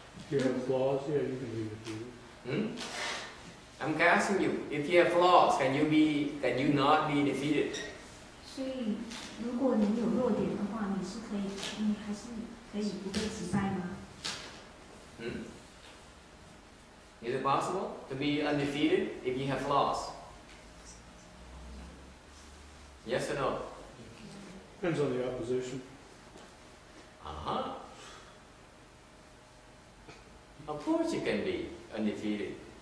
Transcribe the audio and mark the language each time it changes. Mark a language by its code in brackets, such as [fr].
[en] If you have flaws, yeah, you can be undefeated. I'm asking you, if you have flaws, can you not be defeated? [zh] 所以，如果你有弱点的话，你还是可以不被击败吗？ [en] Is it possible to be undefeated if you have flaws? Yes or no? Depends on the opposition. Uh-huh. Of course you can be undefeated.